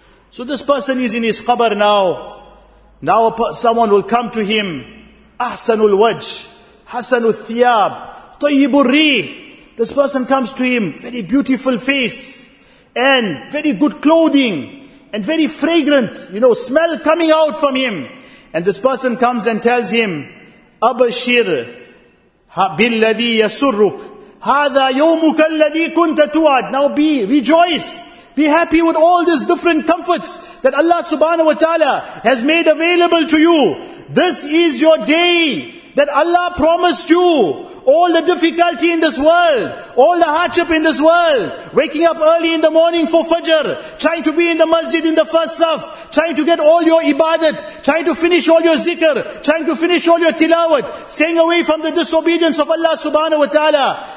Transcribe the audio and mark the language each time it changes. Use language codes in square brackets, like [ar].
[en] So this person is in his qabr now. Now someone will come to him. [ar] Ahsanul wajh, hasanul thiyab, tayyibul rih. [en] This person comes to him, very beautiful face, and very good clothing, and very fragrant, you know, smell coming out from him. And this person comes and tells him, [ar] أَبَشِرْ بِالَّذِي يَسُرُّكْ هَذَا يَوْمُكَ الَّذِي كُنْتَ تُوَعَدْ. [en] Now be, rejoice, be happy with all these different comforts that Allah subhanahu wa ta'ala has made available to you. This is your day that Allah promised you. All the difficulty in this world, all the hardship in this world, waking up early in the morning for Fajr, trying to be in the masjid in the first saf, trying to get all your ibadat, trying to finish all your zikr, trying to finish all your tilawat, staying away from the disobedience of Allah subhanahu wa ta'ala.